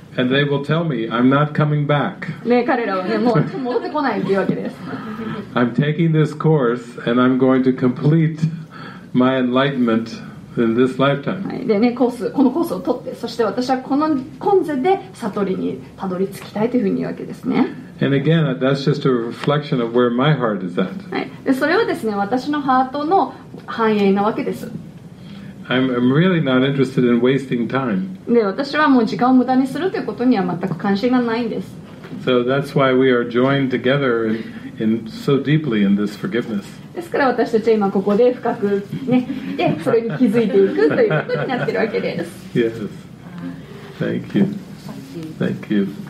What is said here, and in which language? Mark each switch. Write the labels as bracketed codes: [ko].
[en] And they will tell me I'm not coming back. [ja] ね、彼らはね、もう戻ってこないっていうわけです。 [en] I'm taking this course and I'm going to complete my enlightenment in this lifetime. [ja] でね、コース、このコースを取って、そして私はこの今世で悟りにたどり着きたいというふうに言うわけですね。 [en] And again, that's just a reflection of where my heart is at. [ja] はい。それはですね、私のハートの反映なわけです。 [en] I'm really not interested in wasting time. [ja] で、私はもう時間を無駄にするということには全く関心がないんです。 [en] So that's why we are joined together in so deeply in this forgiveness. [ja] ですから私たちは今ここで深くね、で、それに気づいていくということになっているわけです。 [en] Yes. Thank you. Thank you.